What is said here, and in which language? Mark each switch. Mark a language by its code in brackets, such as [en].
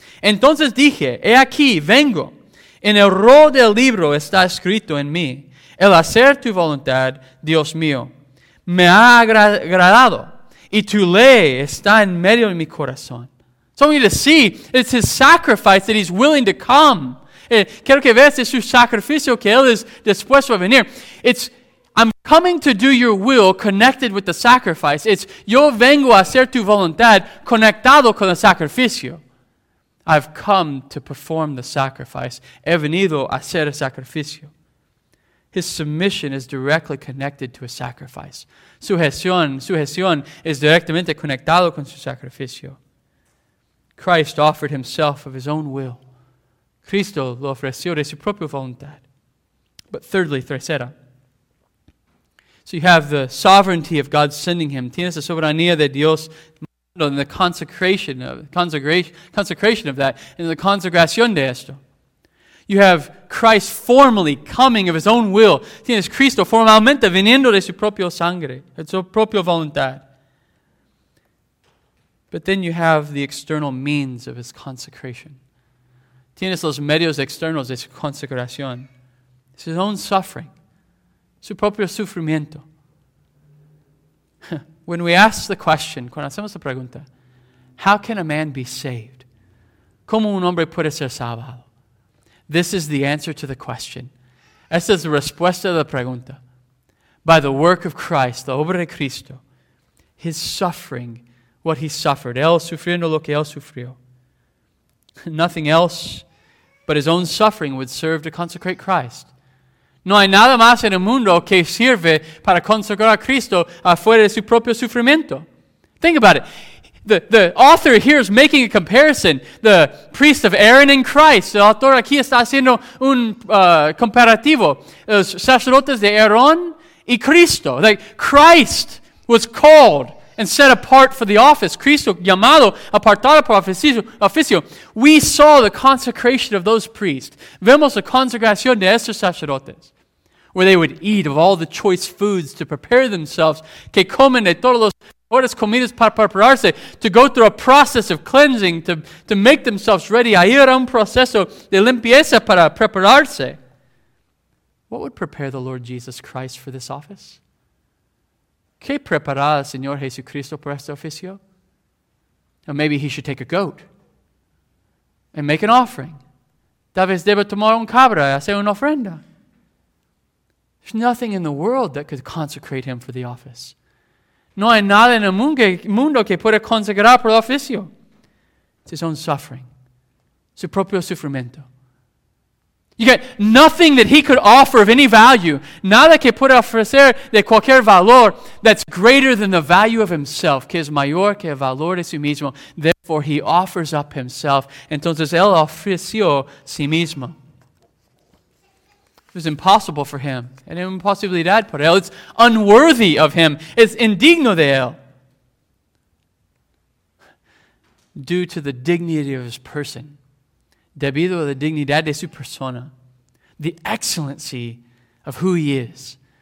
[es] Entonces dije, he aquí, vengo. En el rol del libro está escrito en mí. El hacer tu voluntad, Dios mío, me ha agradado. Y tu ley está en medio de mi corazón. [en] So I want you to see, it's his sacrifice that he's willing to come. [es] Quiero que veas, es su sacrificio que él es dispuesto a venir. [en] It's, I'm coming to do your will connected with the sacrifice. [es] It's, yo vengo a hacer tu voluntad conectado con el sacrificio. [en] I've come to perform the sacrifice. [es] He venido a hacer el sacrificio. [en] His submission is directly connected to a sacrifice. [es] Sujeción es directamente conectado con su sacrificio. [en] Christ offered himself of his own will. [es] Cristo lo ofreció de su propia voluntad. [en] But thirdly, tercera. So you have the sovereignty of God sending him. [es] Tienes la soberanía de Dios mandando en [en] the consecration of that, and the [es] consagración de esto. [en] You have Christ formally coming of his own will. [es] Tienes Cristo formalmente viniendo de su propio sangre, de su propia voluntad. [en] But then you have the external means of his consecration. [es] Tienes los medios externos de su consecración. [en] It's his own suffering, [es] su propio sufrimiento. [en] When we ask the question, [es] cuando hacemos la pregunta, [en] how can a man be saved? [es] ¿Cómo un hombre puede ser salvado? [en] This is the answer to the question. [es] Esta es la respuesta a la pregunta. [en] By the work of Christ, [es] la obra de Cristo, [en] his suffering, what he suffered, [es] él sufriendo lo que él sufrió. [en] Nothing else but his own suffering would serve to consecrate Christ. [es] No hay nada más en el mundo que sirve para consagrar a Cristo afuera de su propio sufrimiento. [en] Think about it. The author here is making a comparison. The priest of Aaron and Christ. [es] El autor aquí está haciendo un comparativo. Los sacerdotes de Aarón y Cristo. [en] Like, Christ was called and set apart for the office. [es] Cristo llamado, apartado por oficio. [en] We saw the consecration of those priests. [es] Vemos la consagración de esos sacerdotes, [en] where they would eat of all the choice foods to prepare themselves, [es] que comen de todos los mejores comidas para prepararse, [en] to go through a process of cleansing, to make themselves ready, [es] a ir a un proceso de limpieza para prepararse. [en] What would prepare the Lord Jesus Christ for this office? [es] ¿Qué prepara el Señor Jesucristo por este oficio? [en] Or maybe he should take a goat and make an offering. [es] Tal vez debe tomar un cabra y hacer una ofrenda. [en] There's nothing in the world that could consecrate him for the office. [es] No hay nada en el mundo que pueda consagrar por el oficio. [en] It's his own suffering. [es] Su propio sufrimiento. [en] You get nothing that he could offer of any value. [es] Nada que pueda ofrecer de cualquier valor [en] that's greater than the value of himself, [es] que es mayor que el valor de sí mismo. [en] Therefore, he offers up himself. [es] Entonces, él ofreció sí mismo. [en] It was impossible for him. And an [es] impossibilidad por él. [en] It's unworthy of him. [es] It's indigno de él. [en] Due to the dignity of his person. [es] Debido a la dignidad de su persona. [en] The excellency of who he is.